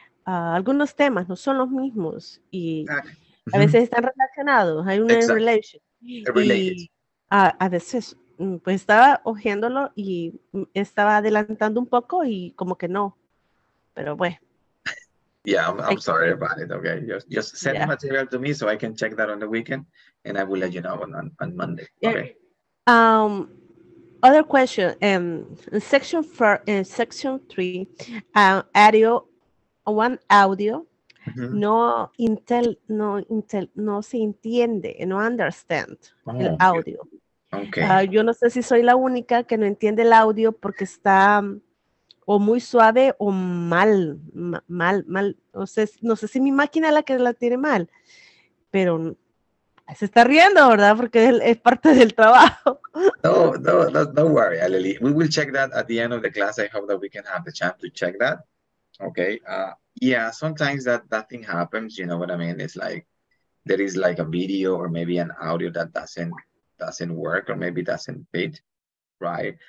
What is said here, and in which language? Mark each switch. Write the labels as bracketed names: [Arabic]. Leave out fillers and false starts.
[Spanish] Algunos temas no son los mismos y a veces están relacionados, hay una relación. A veces, pues estaba ojeándolo y estaba adelantando un poco y como que no, pero bueno. [English] Yeah, I'm sorry about it, okay? Just send the material to me so I can check that on the weekend and I will let you know on Monday, okay? Yeah. Other question, section 3, audio. One audio, [Spanish] no se entiende, no [English] understand [Spanish] el audio. [English] Okay. [Spanish] Yo no sé si soy la única que no entiende el audio porque está o muy suave o mal. No sé si mi máquina es la que la tiene mal, pero se está riendo, ¿verdad? Porque es parte del trabajo. [English] No, don't worry, Aleli. We will check that at the end of the class. I hope that we can have the chance to check that. Okay. Yeah, sometimes that thing happens, you know what I mean? It's there is a video or maybe an audio that doesn't work or maybe doesn't fit, right?